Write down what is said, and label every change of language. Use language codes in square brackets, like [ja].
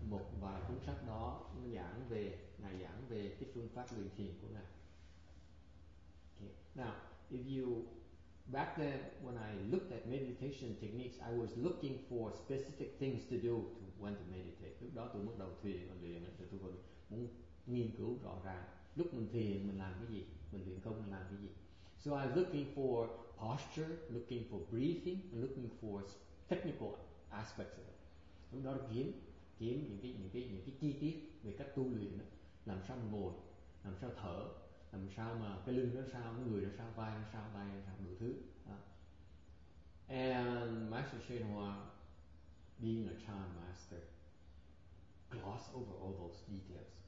[vi] Một vài cuốn sách đó ngài giảng về cái phương pháp luyện thiền của ngài. Okay. [en] Now, if you back then, when I looked at meditation techniques, I was looking for specific things to do to when to meditate. [vi] Lúc đó tôi bắt đầu thiền và luyện, thì tôi còn muốn nghiên cứu rõ ràng lúc mình thiền mình làm cái gì, mình luyện công mình làm cái gì. [en] So I was looking for posture, looking for breathing, looking for technical aspects of it. [vi] Lúc đó kiếm những cái chi tiết về cách tu luyện đó, làm sao mình ngồi, làm sao thở, làm sao mà cái lưng nó sao, cái người nó sao, vai nó sao, tay nó sao, đủ thứ. [en] And Master Shinhwa, being a Chan master, gloss over all those details.